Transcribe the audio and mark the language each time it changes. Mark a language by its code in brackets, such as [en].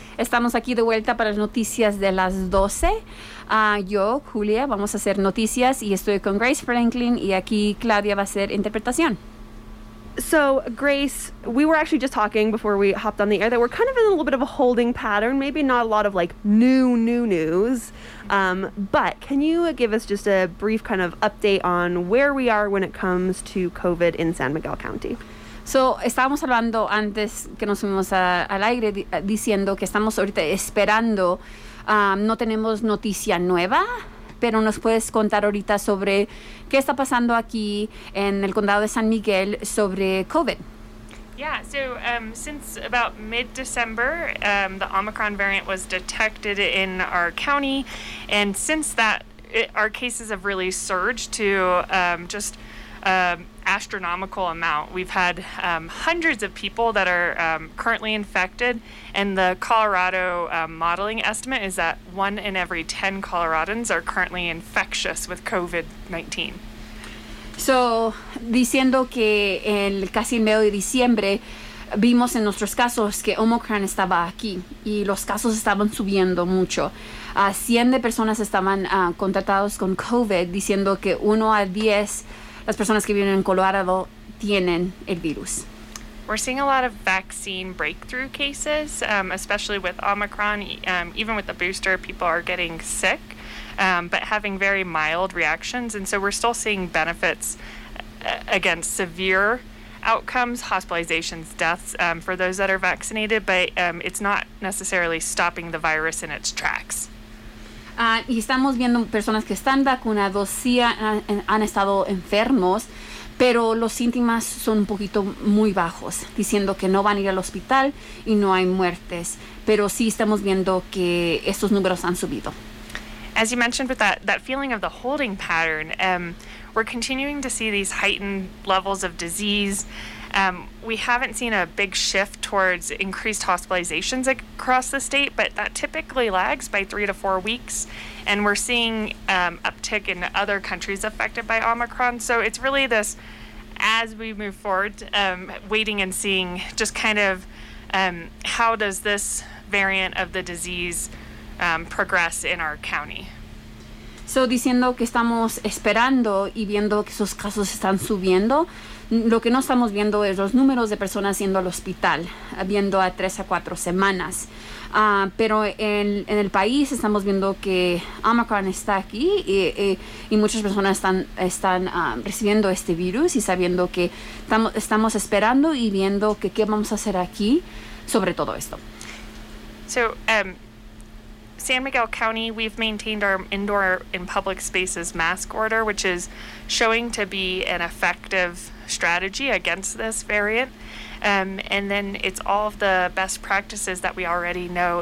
[es] Estamos aquí de vuelta para las noticias de las 12. Yo, Julia, vamos a hacer noticias y estoy con Grace Franklin y aquí Claudia va a hacer interpretación. [en] So, Grace, we were actually just talking before we hopped on the air that we're kind of in a little bit of a holding pattern, maybe not a lot of, like, new news. But can you give us just a brief kind of update on where we are when it comes to COVID in San Miguel County? [es] So, estábamos hablando antes que nos fuimos al aire diciendo que estamos ahorita esperando. No tenemos noticia nueva, pero nos puedes contar ahorita sobre qué está pasando aquí en el condado de San Miguel sobre COVID. [en] Yeah, so since about mid-December, the Omicron variant was detected in our county. And since that, our cases have really surged to just astronomical amount. We've had hundreds of people that are currently infected, and the Colorado modeling estimate is that one in every 10 Coloradans are currently infectious with COVID-19. [es] So, diciendo que el casi el medio de diciembre vimos en nuestros casos que Omicron estaba aquí y los casos estaban subiendo mucho. 100 de personas estaban contratados con COVID, diciendo que 1 a 10 las personas que viven en Colorado tienen el virus. [en] We're seeing a lot of vaccine breakthrough cases, especially with Omicron. Even with the booster, people are getting sick, but having very mild reactions. And so we're still seeing benefits against severe outcomes, hospitalizations, deaths for those that are vaccinated, but it's not necessarily stopping the virus in its tracks. [es] Y estamos viendo personas que están vacunados, sí han estado enfermos, pero los síntomas son un poquito muy bajos, diciendo que no van a ir al hospital y no hay muertes. Pero sí estamos viendo que estos números han subido. [en] As you mentioned with that feeling of the holding pattern, we're continuing to see these heightened levels of disease. We haven't seen a big shift towards increased hospitalizations across the state, but that typically lags by 3 to 4 weeks. And we're seeing uptick in other countries affected by Omicron. So it's really this, as we move forward, waiting and seeing just kind of how does this variant of the disease progress in our county. [es] So diciendo que estamos esperando y viendo que esos casos están subiendo, lo que no estamos viendo es los números de personas yendo al hospital, viendo a 3 a 4 semanas. Pero en el país estamos viendo que Omicron está aquí y muchas personas están recibiendo este virus y sabiendo que estamos esperando y viendo que qué vamos a hacer aquí sobre todo esto. [en] So, San Miguel County, we've maintained our indoor and public spaces mask order, which is showing to be an effective strategy against this variant. And then it's all of the best practices that we already know.